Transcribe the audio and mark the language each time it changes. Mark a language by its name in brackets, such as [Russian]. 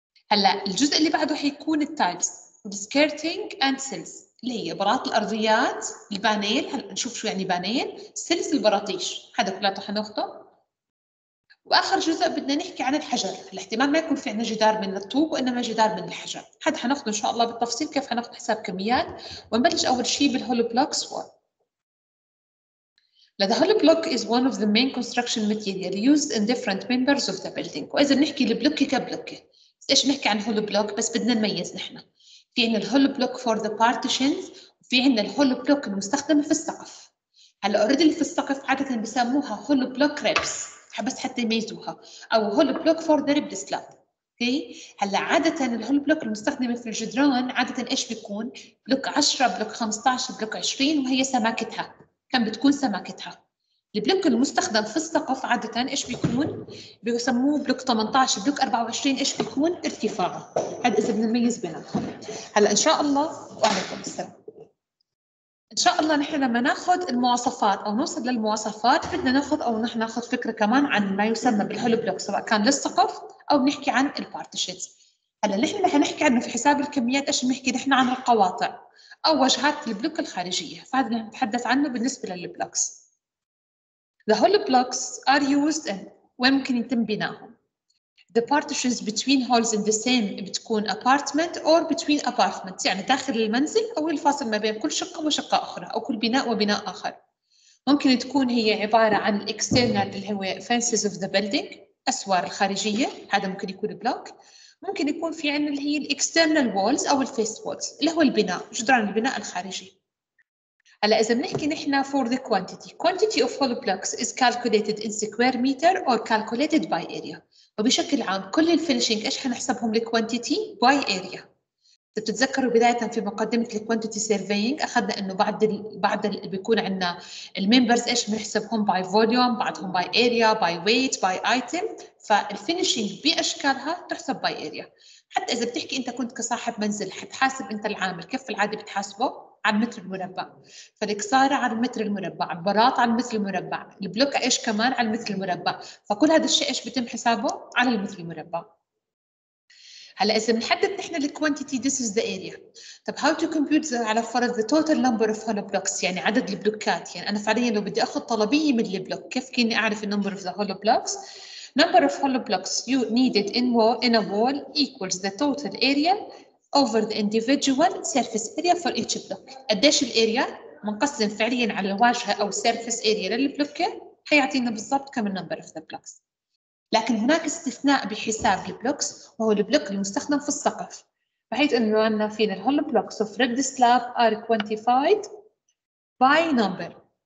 [Arabic] هلا الجزء اللي بعده حيكون [English] التايلز skirting and sills, [Arabic] اللي هي براط الارضيات، البانيل. هلا نشوف شو يعني بانيل، سيلز البراطيش، هذا كلياته حناخده. واخر جزء بدنا نحكي عن الحجر، الاحتمال ما يكون في عندنا جدار من الطوب وانما جدار من الحجر. هذا حناخذ ان شاء الله بالتفصيل كيف حناخذ حساب كميات. ونبلش اول شيء بالهولو بلوكس. [English] The hollow block is one of the main construction material used in different members of the building. [Arabic] واذا بنحكي البلوك كبلوك، ايش بنحكي عن هولو بلوك؟ بس بدنا نميز نحن في عندنا [English] الهولو block for the partitions, [Arabic] وفي عندنا الهولو بلوك المستخدمه في السقف. هلا اوريدي اللي في السقف عاده بسموها هولو بلوك ريبس، بس حتى يميزوها، او [English] Hollow block for the rib slab. [Arabic] في هلا عادة الهولبلوك المستخدمة في الجدران عادة إيش بيكون؟ بلوك 10، بلوك 15، بلوك 20، وهي سماكتها، كم بتكون سماكتها؟ البلوك المستخدم في السقف عادة إيش بيكون؟ بيسموه بلوك 18، بلوك 24، إيش بيكون؟ ارتفاعه. هذا إذا بنميز بينهم. هلا إن شاء الله، وعليكم السلام. إن شاء الله نحن لما نأخذ المواصفات أو نوصل للمواصفات بدنا نأخذ أو نحن نأخذ فكرة كمان عن ما يسمى بالهولو بلوك، سواء كان للسقف أو نحكي عن البارتيشنز. هلا نحن رح نحكي عنه في حساب الكميات، إيش نحكي نحن عن القواطع أو وجهات البلوك الخارجية، فهذا اللي نتحدث عنه بالنسبة للبلوكس. [English] The hollow blocks are used in [Arabic] وين ممكن يتم بناهم. [English] The partitions between halls in the same [Arabic] بتكون [English] apartment or between apartments، [Arabic] يعني داخل المنزل أو الفاصل ما بين كل شقة وشقة أخرى أو كل بناء وبناء آخر. ممكن تكون هي عبارة عن external اللي هو [English] fences of the building، [Arabic] أسوار الخارجية، هذا ممكن يكون block. ممكن يكون في عنا اللي هي [English] external walls [Arabic] أو [English] face walls [Arabic] اللي هو البناء، جدران البناء الخارجي. هلا إذا بنحكي نحنا [English] for the quantity، quantity of hollow blocks is calculated in square meter or calculated by area. [Arabic] وبشكل عام كل الفينشينج إيش هنحسبهم [English] لكوانتيتي by area. [Arabic] تتذكروا بداية في مقدمة [English] الكوانتيتي سيرفينج [Arabic] أخذنا إنه بعد اللي بيكون عندنا الميمبرز إيش بنحسبهم باي فوليوم، بعدهم باي أريا، باي ويت، باي أيتم. فالفينشينج بأشكالها تحسب باي أريا. حتى إذا بتحكي أنت كنت كصاحب منزل حتحاسب أنت العامل كيف العادة بتحاسبه؟ على متر المربع، فالكسارة على المتر المربع، البلاط على المتر المربع، البلوك إيش كمان على المتر المربع، فكل هذا الشيء إيش بتم حسابه على المتر المربع. هلا إذا بنحدد نحن الكوانتيتي [English] this is the area. طب how to compute the, على فرض the total number of hollow blocks، [Arabic] يعني عدد البلوكات، يعني أنا فعليا لو بدي أخذ طلبية من البلوك كيف كني أعرف [English] the number of the hollow blocks؟ Number of hollow blocks you needed in a wall equals the total area over the individual surface area for each block. [Arabic] قديش الاريا منقسم فعليا على الواجهه او surface area للبلوك حيعطينا بالضبط كم [English] النمبر of the blocks. [Arabic] لكن هناك استثناء بحساب البلوكس وهو البلوك المستخدم في السقف، بحيث انه عندنا في [English] الهول blocks of rib slab are quantified by number.